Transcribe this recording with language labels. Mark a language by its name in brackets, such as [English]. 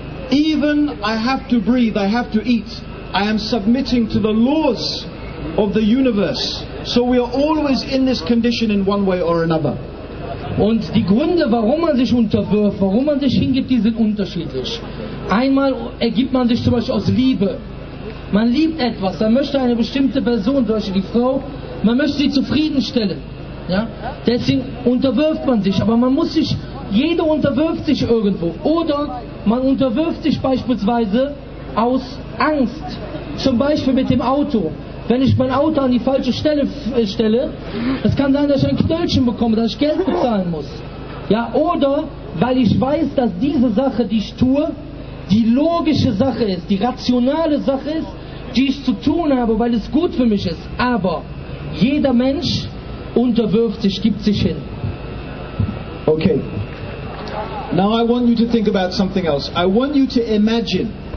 [English] Even I have to breathe, I have to eat. I am submitting to the laws of the universe. So we are always in this condition in one way or another. [German] Und die Gründe, warum man sich unterwirft, warum man sich hingibt, die sind unterschiedlich. Einmal ergibt man sich zum Beispiel aus Liebe. Man liebt etwas, man möchte eine bestimmte Person, zum Beispiel die Frau, man möchte sie zufriedenstellen. Ja? Deswegen unterwirft man sich, aber man muss sich, jeder unterwirft sich irgendwo. Oder man unterwirft sich beispielsweise aus Angst, zum Beispiel mit dem Auto. Wenn ich mein Auto an die falsche Stelle stelle, es kann sein, dass ich ein Knöllchen bekomme, dass ich Geld bezahlen muss. Ja, oder weil ich weiß, dass diese Sache, die ich tue, die logische Sache ist, die rationale Sache ist, die ich zu tun habe, weil es gut für mich ist. Aber jeder Mensch unterwirft sich, gibt sich hin. [English] Okay. Now I want you to think about something else. I want you to imagine.